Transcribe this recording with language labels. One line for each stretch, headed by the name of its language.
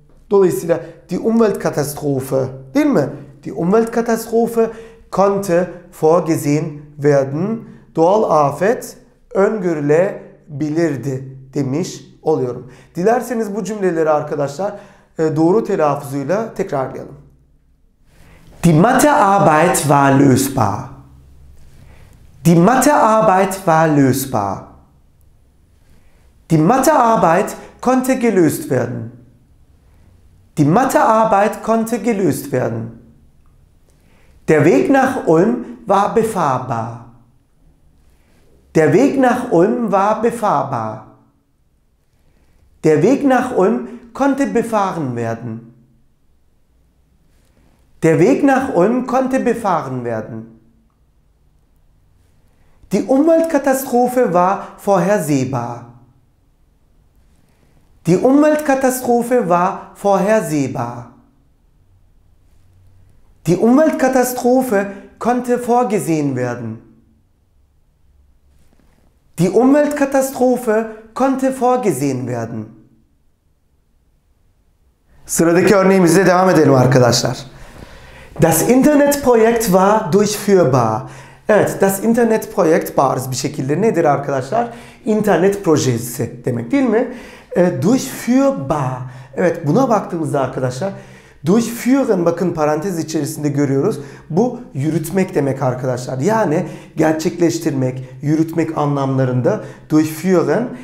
Turkish: Dolayısıyla
German: die Umweltkatastrophe
Turkish: değil mi?
German: Die Umweltkatastrophe konnte vorgesehen werden
Turkish: doğal afet öngörülebilirdi demiş oluyorum. Dilerseniz bu cümleleri arkadaşlar doğru telaffuzuyla tekrarlayalım.
German: Die Mathearbeit war lösbar. Die Mathearbeit war lösbar. Die Mathearbeit konnte gelöst werden. Die Mathearbeit konnte gelöst werden. Der Weg nach Ulm war befahrbar. Der Weg nach Ulm war befahrbar. Der Weg nach Ulm konnte befahren werden. Der Weg nach Ulm konnte befahren werden. Die Umweltkatastrophe war vorhersehbar. Die Umweltkatastrophe war vorhersehbar. Die Umweltkatastrophe konnte vorgesehen werden. Die Umweltkatastrophe konnte vorgesehen werden.
Turkish: Sıradaki örneğimizle devam edelim arkadaşlar.
German: Das Internetprojekt war durchführbar.
Turkish: Evet,
German: das Internetprojekt
Turkish: bariz bir şekilde nedir arkadaşlar? İnternet projesi demek değil mi? Durchführbar. Evet, buna baktığımızda arkadaşlar, durchführen bakın parantez içerisinde görüyoruz. Bu yürütmek demek arkadaşlar. Yani gerçekleştirmek, yürütmek anlamlarında durchführen.